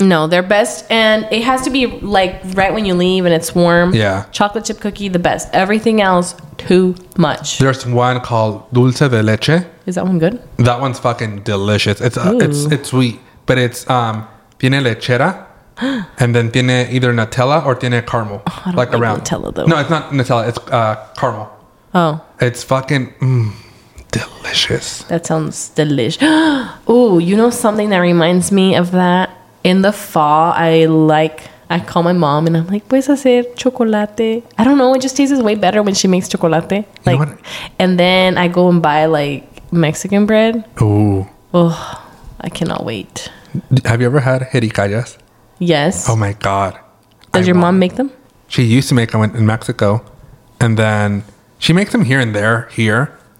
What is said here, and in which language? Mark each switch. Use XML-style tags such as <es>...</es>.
<en>No, they're best. And it has to be like right when you leave and it's warm. Yeah. Chocolate chip cookie, the best. Everything else, too much. There's one called Dulce de Leche. Is that one good? That one's fucking delicious. It's sweet, but it's</en> <es>tiene lechera.</es> <en>And then tiene either Nutella or tiene caramel. Oh, like around Nutella though. No, it's not Nutella. It's caramel. Oh. It's fucking delicious. That sounds delicious. Ooh, you know something that reminds me of that? In the fall, I call my mom and I'm like,</en> <es>¿puedes hacer chocolate?</es> <en>I don't know. It just tastes way better when she makes chocolate. Like, you know what? And then I go and buy like Mexican bread. Ooh. Oh, I cannot wait. Have you ever had jericallas? Yes. Oh my God. Does your mom make them? She used to make them in Mexico. And then she makes them here and there, here.</en>